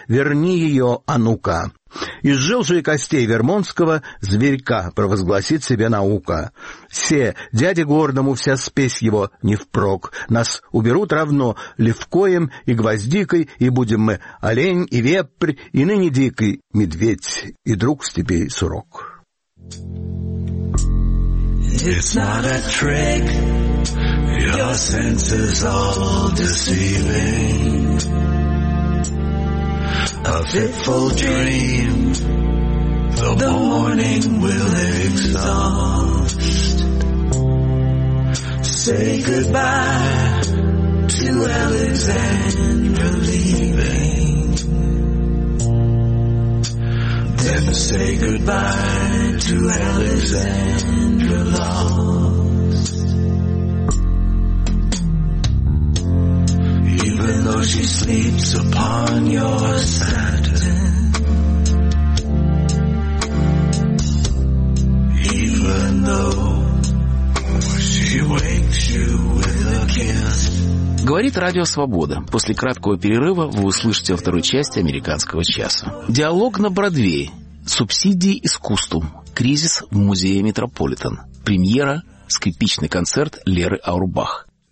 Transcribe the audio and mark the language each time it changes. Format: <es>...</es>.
<ru>Верни ее, Анука. Из жил же и костей вермонтского зверька провозгласит себе наука. Се, дяде гордому вся спесь его не впрок. Нас уберут равно левкоем и гвоздикой, и будем мы олень и вепрь, и ныне дикой медведь, и друг степей сурок.</ru> <en>It's not a trick, your senses all deceiving. A fitful dream, the morning will exhaust. Say goodbye to Alexandra leaving. Then say goodbye to Alexandra lost. Even though she sleeps upon your side. Even though she wakes you with a kiss.</en> <ru>Говорит Радио Свобода. После краткого перерыва вы услышите во второй части «Американского часа». Диалог на Бродвее. Субсидии искусству. Кризис в музее Метрополитен. Премьера. Скрипичный концерт Леры Аурбах.</ru>